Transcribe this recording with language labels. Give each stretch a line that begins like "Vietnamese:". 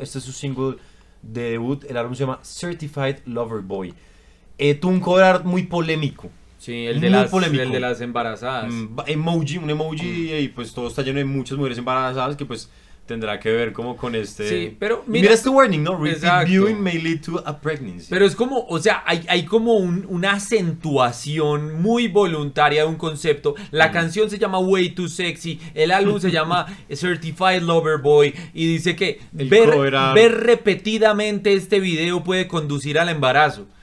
Spanish: Este es su single de debut, el álbum se llama Certified Lover Boy. Tuvo un cover art muy polémico. Sí, el de, polémico. El de las embarazadas. Emoji, un emoji. Y pues todo está lleno de muchas mujeres embarazadas que pues tendrá que ver como con este. Sí, pero mira, este warning, ¿no?
English: Repeat viewing may lead to a pregnancy.
Spanish: Pero es como, o sea, hay como una acentuación muy voluntaria de un concepto. La canción se llama Way Too Sexy. El álbum se llama Certified Lover Boy. Y dice que ver repetidamente este video puede conducir al embarazo.